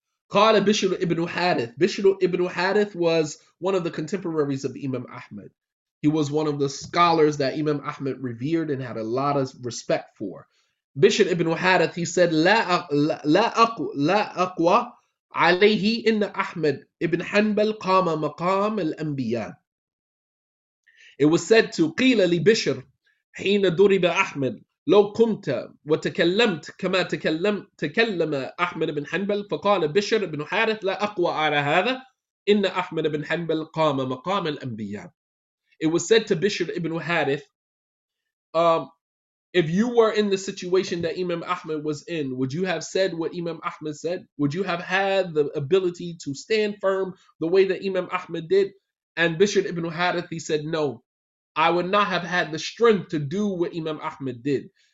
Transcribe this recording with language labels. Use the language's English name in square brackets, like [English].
[Arabic] Qala [English] Bishr ibn Hadith. Bishr ibn Hadith was one of the contemporaries of Imam Ahmad. He was one of the scholars that Imam Ahmad revered and had a lot of respect for. [Arabic] Bishr ibn Hadith, he said, لا أقوى عليه إن أحمد ابن حنبل قام مقام الأنبياء. [English] It was said to [Arabic] قيل لبشر حين ضرب أحمد لو قمت وتكلمت كما تكلم أحمد بن حنبل فقال بشر بن حارث لا أقوى على هذا إن أحمد بن حنبل قام مقام الأنبياء. [English] It was said to Bishr ibn Harith, if you were in the situation that Imam Ahmad was in, would you have said what Imam Ahmad said? Would you have had the ability to stand firm the way that Imam Ahmad did? And Bishr ibn Harith, he said, no, I would not have had the strength to do what Imam Ahmad did.